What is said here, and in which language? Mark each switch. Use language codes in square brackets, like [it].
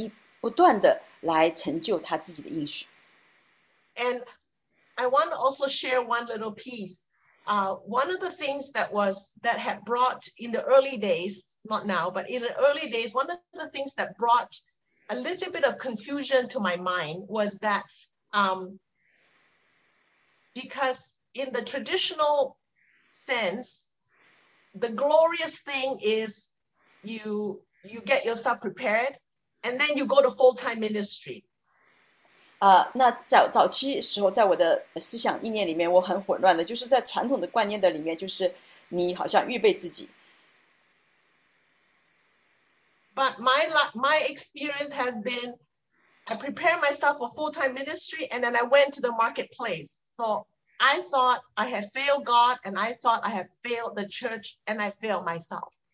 [zh] 因为神对的忠心的人，他是来显明他是信实的，所以在这些年里面，无论是这个整个锡安，还是我个人的生命当中，神不断的来成就他自己的应许。 [en] And I want to also share one little piece. One of the things that had brought in the early days, not now, but in the early days, one of the things that brought a little bit of confusion to my mind was that because in the traditional sense, the glorious thing is you get yourself prepared and then you go to full-time ministry. [zh] 那早期时候，在我的思想意念里面，我很混乱的，就是在传统的观念的里面，就是你好像预备自己。 [en] But my experience has been, I prepared myself for full-time ministry, and then I went to the marketplace. So I thought I had failed God, and I thought I had failed the church, and I failed myself.